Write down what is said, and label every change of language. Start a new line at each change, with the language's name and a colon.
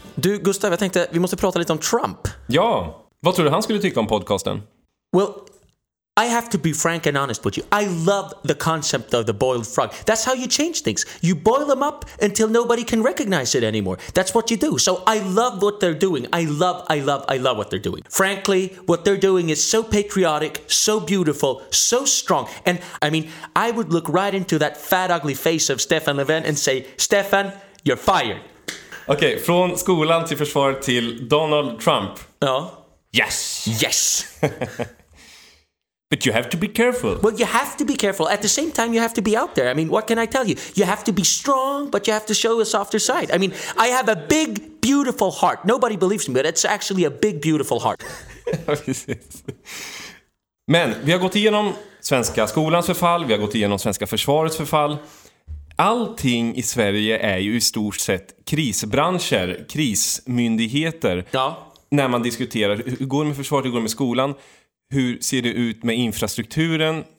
Swedish: Du, Gustav, jag tänkte, vi måste prata lite om Trump. Ja, vad tror du han skulle tycka om podcasten?
English: Well, I have to be frank and honest with you. I love the concept of the boiled frog. That's how you change things. You boil them up until nobody can recognize it anymore. That's what you do. So I love what they're doing. I love what they're doing. Frankly, what they're doing is so patriotic, so beautiful, so strong. And I mean, I would look right into that fat, ugly face of Stefan Löfven and say, Stefan, you're fired.
Swedish: Okay, från skolan till försvar till Donald Trump. Ja.
English: Yes. Yes. But you have to be careful. Well, you have to be careful. At the same time, you have to be out there. I mean, what can I tell you? You have to be strong, but you have to show a softer side. I mean, I have a big, beautiful heart. Nobody believes me, but it's actually a big, beautiful heart.
Swedish: Men vi har gått igenom svenska skolans förfall. Vi har gått igenom svenska försvarets förfall. Allting i Sverige är ju i stort sett krisbranscher, krismyndigheter. Ja. När man diskuterar hur går det med försvaret, hur går det med skolan. Hur ser det ut med infrastrukturen?